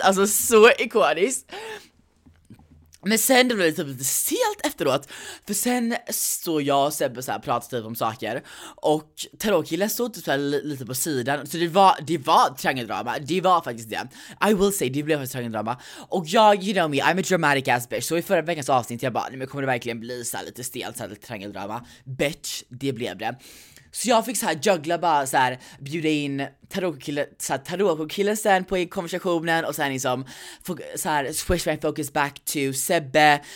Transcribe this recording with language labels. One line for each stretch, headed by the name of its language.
Swedish: Alltså så ikoniskt. Men sen då blir det typ lite stelt efteråt. För sen står jag och Sebbe såhär och pratar typ om saker. Och tarotkillen stod typ lite på sidan. Så det var triangeldrama. Det var faktiskt det.
English: I will say,
Swedish: det blev faktiskt triangeldrama. Och jag,
English: you know me, I'm a dramatic ass bitch.
Swedish: Så i förra veckans avsnitt jag bara, men kommer det verkligen bli så här lite stelt, så här lite triangeldrama? Bitch, det blev det. Så jag fick så här juggla bara så här, bjuda in tarotkillen sen på konversationen och sen liksom så här
English: switch my focus back to Sebbe.